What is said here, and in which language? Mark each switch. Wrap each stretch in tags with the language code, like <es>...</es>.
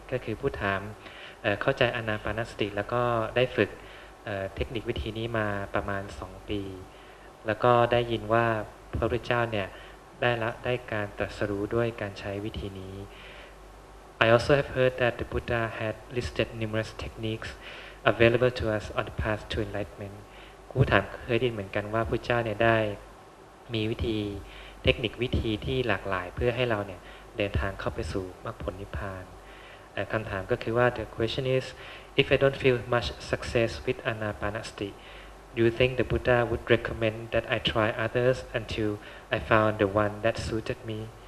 <th>ก็คือผู้ถามเข้าใจ Anapanasati แล้วก็ได้ฝึกเทคนิควิธีนี้มาประมาณ2 ปีแล้วก็ได้ยินว่าพระพุทธเจ้าเนี่ยได้การตรัสรู้ด้วยการใช้วิธีนี้</th> <en>I also have heard that the Buddha had listed numerous techniques. Available to us on the path to enlightenment.</en> <th>ผู้ถามเคยได้เหมือนกันว่าพุทธเจ้าเนี่ยได้มีวิธีเทคนิควิธีที่หลากหลายเพื่อให้เราเนี่ยเดินทางเข้าไปสู่มรรคผลนิพพานคำถามก็คือว่า</th> <en>The question is if I don't feel much success with Anapanasati, do you think the Buddha would recommend that I try others until I found the one that suited me?</en>